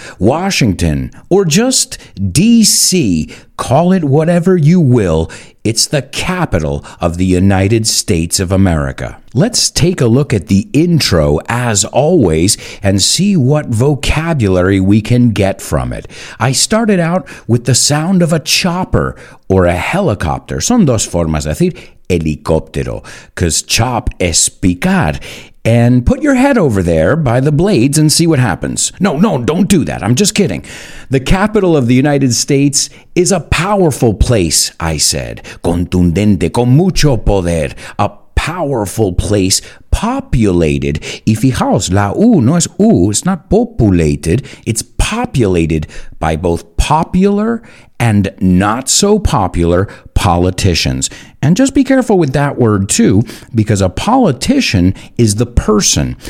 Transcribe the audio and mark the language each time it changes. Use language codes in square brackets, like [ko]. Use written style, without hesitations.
[en] Washington, or just D.C., call it whatever you will, it's the capital of the United States of America. Let's take a look at the intro, as always, and see what vocabulary we can get from it. I started out with the sound of a chopper or a helicopter. [es] Son dos formas de decir helicóptero, [en] because [es] chop es picar. [en] And put your head over there by the blades and see what happens. No, don't do that. I'm just kidding. The capital of the United States is a powerful place, I said. [es] Contundente, con mucho poder. [en] A powerful place, populated. [es] Y fijaos, la U no es U, [en] it's not populated. It's populated by both popular and not so popular politicians. And just be careful with that word too, because a politician is the person.